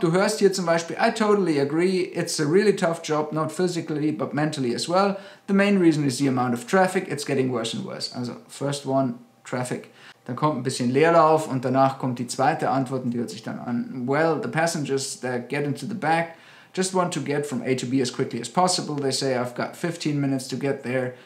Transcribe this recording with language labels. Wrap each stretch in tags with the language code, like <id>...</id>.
<de>Du hörst hier zum Beispiel,</de> <en>I totally agree, it's a really tough job, not physically, but mentally as well. The main reason is the amount of traffic, it's getting worse and worse. Also, first one, traffic.</en> <de>Dann kommt ein bisschen Leerlauf und danach kommt die zweite Antwort und die hört sich dann an.</de> <en>Well, the passengers that get into the back just want to get from A to B as quickly as possible. They say, I've got 15 minutes to get there.</en>